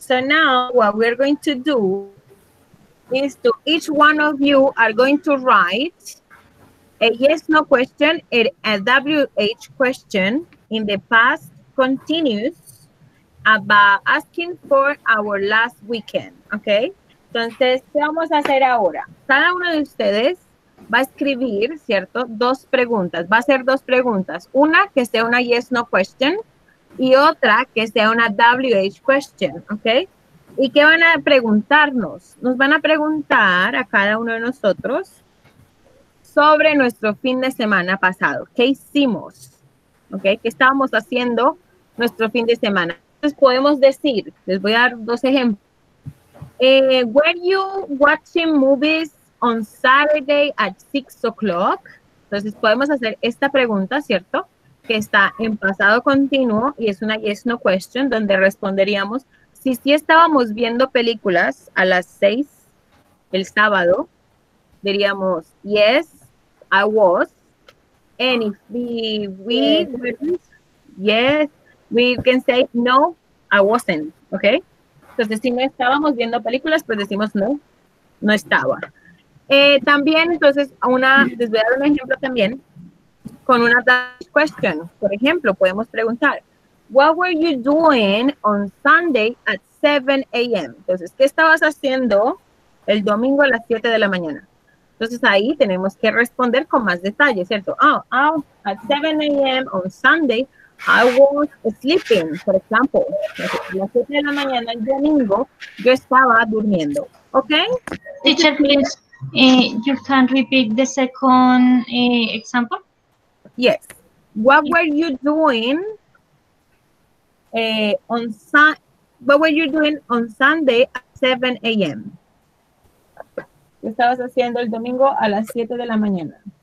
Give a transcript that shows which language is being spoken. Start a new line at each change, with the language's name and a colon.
English: So now what we're going to do is to each one of you are going to write a yes, no question, a WH question in the past continuous about asking for our last weekend, okay?
Spanish: Entonces, ¿qué vamos a hacer ahora? Cada uno de ustedes va a escribir, ¿cierto? Dos preguntas. Va a ser dos preguntas. Una que sea una yes, no question y otra que sea una WH question, ¿ok? ¿Y qué van a preguntarnos? Nos van a preguntar a cada uno de nosotros sobre nuestro fin de semana pasado. ¿Qué hicimos? ¿Ok? ¿Qué estábamos haciendo nuestro fin de semana? Entonces podemos decir, les voy a dar dos ejemplos.
English: Were you watching movies on Saturday at 6 o'clock?
Spanish: Entonces podemos hacer esta pregunta, ¿cierto? Que está en pasado continuo y es una yes no question donde responderíamos si sí estábamos viendo películas a las 6 el sábado, diríamos
English: yes, I was. And if we can say no, I wasn't, ¿ok?
Spanish: Entonces si no estábamos viendo películas, pues decimos no, no estaba. También, entonces, les voy a dar un ejemplo también con una question. Por ejemplo, podemos preguntar,
English: what were you doing on Sunday at 7 a.m.?
Spanish: Entonces, ¿qué estabas haciendo el domingo a las 7 de la mañana? Entonces, ahí tenemos que responder con más detalle, ¿cierto?
English: Oh, at 7 a.m. on Sunday, I was sleeping, for example.
Spanish: Las 7 de la mañana el domingo, yo estaba durmiendo.
English: Okay? Teacher, please, you can repeat the second example. Yes. What were you doing on Sunday at 7 a.m.?
Spanish: ¿Qué estabas haciendo el domingo a las 7 de la mañana?